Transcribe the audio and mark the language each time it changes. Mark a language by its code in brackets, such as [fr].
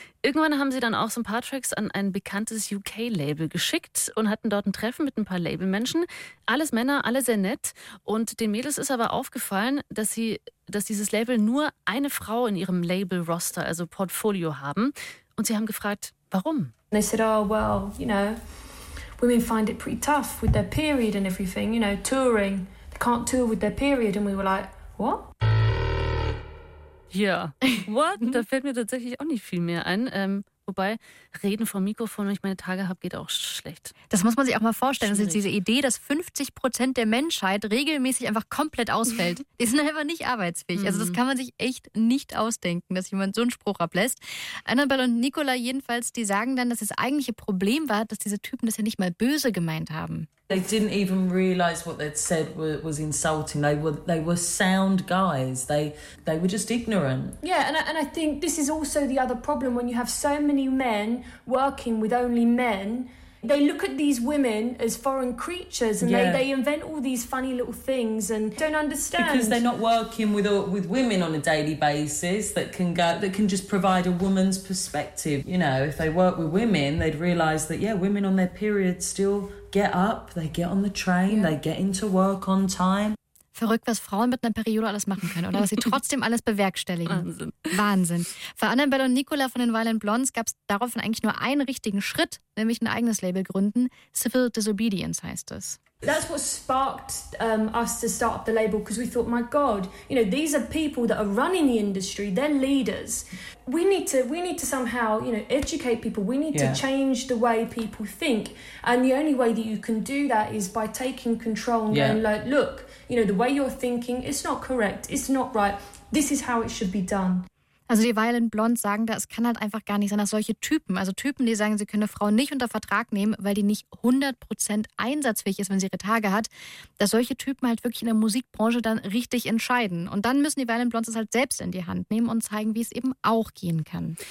[de] Irgendwann haben sie dann auch so ein paar Tracks an ein bekanntes UK-Label geschickt und hatten dort ein Treffen mit ein paar Labelmenschen. Alles Männer, alle sehr nett. Und den Mädels ist aber aufgefallen, dass dieses Label nur eine Frau in ihrem Label-Roster, also Portfolio, haben. Und sie haben gefragt, warum? [en] They said, oh, well, you know, women find it pretty tough with their period and everything, you know, touring. They can't tour with their period. And we were like, what? Ja, what? [de] Da fällt mir tatsächlich auch nicht viel mehr ein. Wobei, reden vom Mikrofon, wenn ich meine Tage habe, geht auch schlecht. Das muss man sich auch mal vorstellen. Schwierig. Das ist diese Idee, dass 50% der Menschheit regelmäßig einfach komplett ausfällt. Die sind einfach nicht arbeitsfähig. Mhm. Also das kann man sich echt nicht ausdenken, dass jemand so einen Spruch ablässt. Annabelle und Nicola jedenfalls, die sagen dann, dass das eigentliche Problem war, dass diese Typen das ja nicht mal böse gemeint haben. [en] They didn't even realize what they'd said was insulting. They were sound guys. They were just ignorant. Yeah, and I think this is also the other problem when you have so many men working with only men. They look at these women as foreign creatures, and they invent all these funny little things and don't understand because they're not working with women on a daily basis that can just provide a woman's perspective. You know, if they work with women, they'd realize that women on their period still get up, they get on the train, they get into work on time. [de] Verrückt, was Frauen mit einer Periode alles machen können oder was sie trotzdem alles bewerkstelligen. Wahnsinn. Für Annabelle und Nicola von den Violent Blondes gab es daraufhin eigentlich nur einen richtigen Schritt, nämlich ein eigenes Label gründen. Civil Disobedience heißt es. [en] That's what sparked us to start up the label, because we thought, my God, you know, these are people that are running the industry, they're leaders. We need to somehow, you know, educate people. We need to change the way people think. And the only way that you can do that is by taking control and going, like, look, you know, the way you're thinking, it's not correct, it's not right. This is how it should be done. [de] Also die Violent Blondes sagen da, es kann halt einfach gar nicht sein, dass solche Typen, also Typen, die sagen, sie können Frauen nicht unter Vertrag nehmen, weil die nicht 100% einsatzfähig ist, wenn sie ihre Tage hat, dass solche Typen halt wirklich in der Musikbranche dann richtig entscheiden. Und dann müssen die Violent Blondes es halt selbst in die Hand nehmen und zeigen, wie es eben auch gehen kann.